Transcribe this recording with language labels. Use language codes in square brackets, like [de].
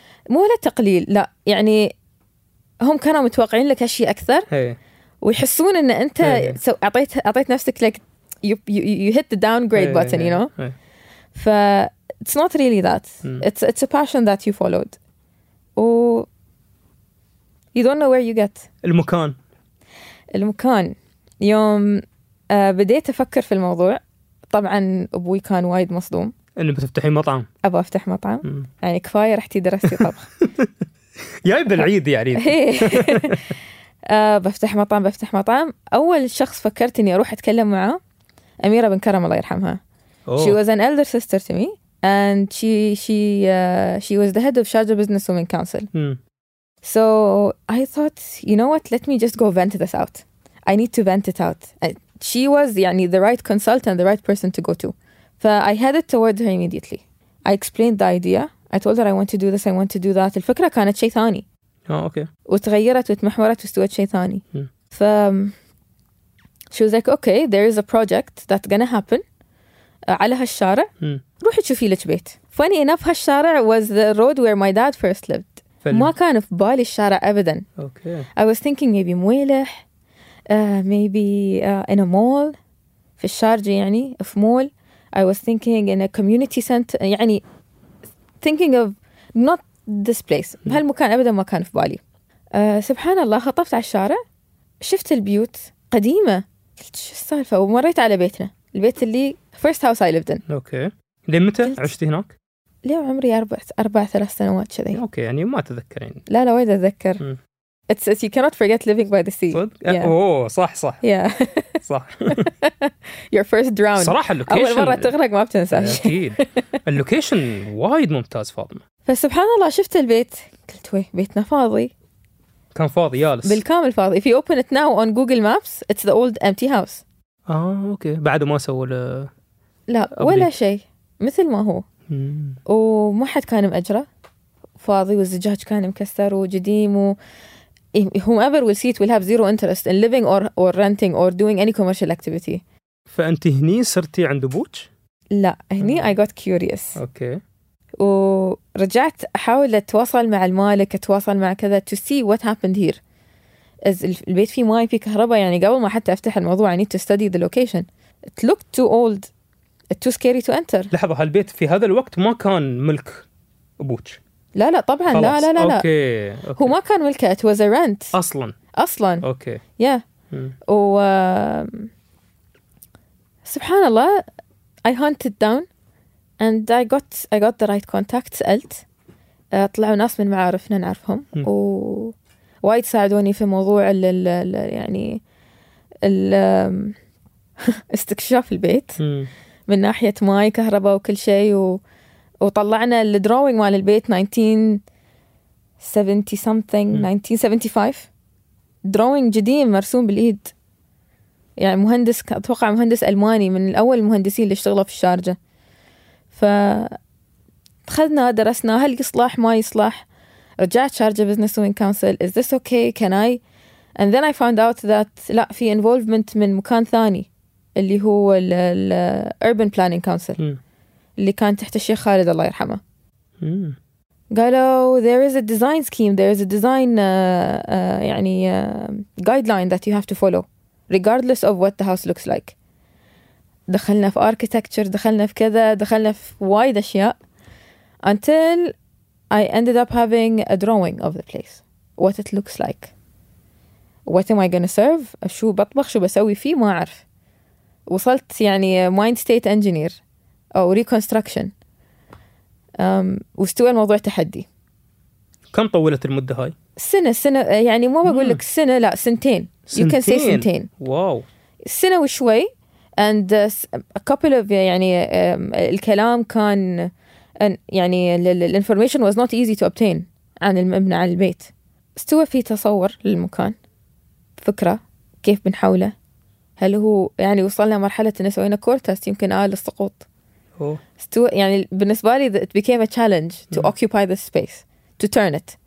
[ar] مو لا تقليل، لا يعني هم كانوا متوقعين لك اشي اكثر. هي. ويحسون ان انت اعطيت نفسك لك [en] you hit the downgrade button. [ar] هي. [en] You know. [ar] هي. [en] ف it's not really that. It's a passion that you followed. و you don't know where you get [ar] المكان. المكان يوم بديت أفكر في الموضوع طبعا أبوي كان وايد مصدوم إنه بتفتحين مطعم. أبغى أفتح مطعم يعني كفاية رحتي درستي طبخ جايب العيد يعني بفتح مطعم بفتح مطعم. أول شخص فكرت إني أروح أتكلم معه أميرة بن كرم الله يرحمها. [en] She was an elder sister to me and she was the head of Sharjah Business Women Council. So I thought, you know what, let me just go vent this out. I need to vent it out. She was يعني the right consultant, the right person to go to. I headed towards her immediately. I explained the idea. I told her I want to do this, I want to do that. [ar] الفكرة كانت شيء ثاني. [en] Okay. [ar] وتغيرت وتمحورت واستوت شيء ثاني. [en] She was like, okay, there is a project that's gonna happen [ar] على هالشارع. روحي تشوفي لك بيت. [en] Funny enough, هالشارع was the road where my dad first lived. [ar] ما كان في بالي الشارع ابدا. [en] Okay. I was thinking maybe مويلح, maybe in a mall [ar] في الشارجة يعني في مول. [en] I was thinking in a community center, يعني thinking of not this place. [ar] هالمكان ابدا ما كان في بالي. سبحان الله خطفت على الشارع شفت البيوت قديمة. قلت شو السالفة؟ ومريت على بيتنا البيت اللي [en] first house I lived in. [ar] Okay. لين متى عشت هناك؟ اليوم عمري أربع ثلاث سنوات كذي. أوكي يعني ما تذكرين. لا لا وايد أتذكر. [en] It's you cannot forget living by the sea. [ar] Yeah. أوه صح صح. [en] Yeah. [ar] صح. [en] Your first drown. [ar] صراحة اللوكيشن. أول مرة تغرق ما بتنساش. أكيد. اللوكيشن وايد ممتاز فاطمة. فسبحان الله شفت البيت قلت وي بيتنا فاضي. كان فاضي يالس. بالكامل فاضي. [en] If you open it now on Google Maps, it's the old empty house. [ar] آه أوكي بعد ما سووا له. لا ولا شيء مثل ما هو. وما حد كان مأجره فاضي والزجاج كان مكسر وجديم و [en] whomever will see it will have zero interest in living or renting or doing any commercial activity. [ar] فأنت هني صرتي عند أبوك؟ لا هني [en] I got curious. [ar] أوكي. ورجعت أحاول أتواصل مع المالك أتواصل مع كذا [en] to see what happened here. [ar] البيت فيه ماي فيه كهرباء يعني قبل ما حتى أفتح الموضوع [en] I need to study the location. It looked too old. It's too scary to enter. [ar] لحظة هالبيت في هذا الوقت ما كان ملك أبوك؟ لا لا طبعا خلاص. لا لا لا أوكي. أوكي. هو ما كان ملكه [en] it was a rent [ar] أصلا أصلا أوكي [en] yeah. [ar] و سبحان الله [en] I hunted down and I got the right contact. [ar] سألت طلعوا ناس من معارفنا نعرفهم و وايد ساعدوني في موضوع يعني استكشاف البيت من ناحية ماي كهرباء وكل شيء وطلعنا الدروينج مال البيت 1970 something 1975 دروينج قديم مرسوم بالإيد يعني مهندس أتوقع مهندس ألماني من الأول المهندسين اللي اشتغلوا في الشارجة. فدخلنا درسنا هل يصلح ما يصلح رجعت شارجة بزنس وين كونسل [en] is this okay can I and then I found out that [ar] لا في involvement من مكان ثاني اللي هو الـ Urban Planning Council اللي كان تحت الشيخ خالد الله يرحمه. [en] قالوا there is a design scheme, there is a design يعني guideline that you have to follow regardless of what the house looks like. [ar] دخلنا في architecture, دخلنا في كذا, دخلنا في وايد أشياء [en] until I ended up having a drawing of the place, what it looks like, what am I gonna serve, [ar] شو بطبخ شو بسوي فيه ما أعرف. وصلت يعني [en] mind state engineer [ar] أو reconstruction واستوى الموضوع تحدي. كم طولت المدة هاي؟ سنة يعني مو بقول لك سنة لا سنتين. [en] You can say سنتين. [ar] واو. سنة وشوي [en] and a couple of يعني الكلام كان يعني the information was not easy to obtain [ar] عن المبنى عن البيت. استوى في تصور للمكان فكرة كيف بنحوله. هل هو يعني وصلنا مرحلة إن سوينا كورتست يمكن آل السقوط. استوى يعني بالنسبة لي [en] it became a challenge to occupy the space to turn it.